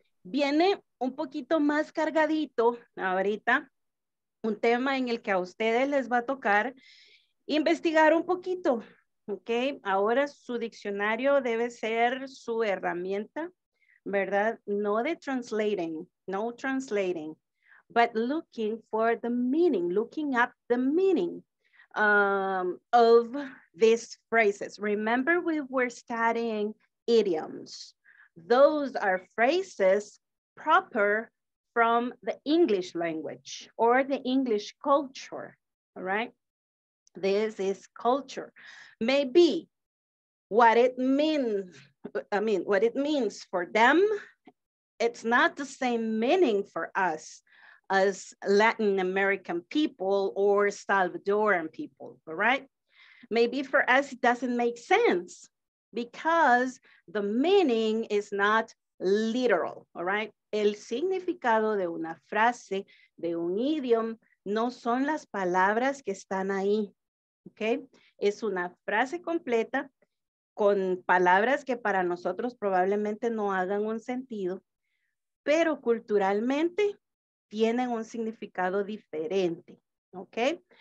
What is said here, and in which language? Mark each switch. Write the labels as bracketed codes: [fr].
[es] viene un poquito más cargadito ahorita, un tema en el que a ustedes les va a tocar investigar un poquito, ¿ok? Ahora su diccionario debe ser su herramienta, ¿verdad? No de [en] translating, no translating, but looking for the meaning, looking up the meaning of these phrases. Remember, we were studying idioms. Those are phrases proper from the English language or the English culture, all right? This is culture. Maybe what it means, I mean, what it means for them, it's not the same meaning for us as Latin American people or Salvadoran people, all right? Maybe for us, it doesn't make sense because the meaning is not literal, all right? [es] El significado de una frase, de un idiom, no son las palabras que están ahí, okay? Es una frase completa con palabras que para nosotros probablemente no hagan un sentido, pero culturalmente tienen un significado diferente, okay?